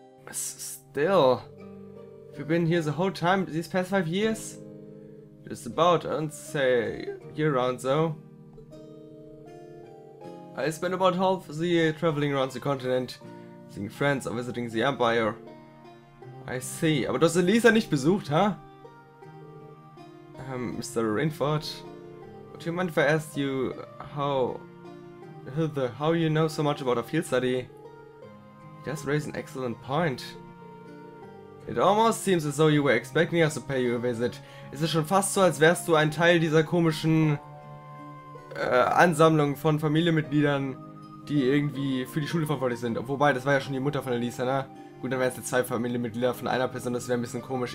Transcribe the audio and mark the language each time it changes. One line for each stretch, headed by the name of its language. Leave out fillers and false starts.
English: Still, have you been here the whole time these past 5 years? Just about, I don't say year-round though. I spent about half the year traveling around the continent, seeing friends or visiting the Empire. I see,
German: aber du hast Elisa nicht besucht, huh?
English: Mr. Rainford, would you mind if I asked you how you know so much about a field study? You just raised an excellent point. It almost seems as though you were expecting us to pay you a visit.
German: Es ist schon fast so, als wärst du ein Teil dieser komischen Ansammlung von Familienmitgliedern, die irgendwie für die Schule verantwortlich sind. Wobei, das war ja schon die Mutter von Elisa, ne? Gut, dann wären es jetzt zwei Familienmitglieder von einer Person, das wäre ein bisschen komisch.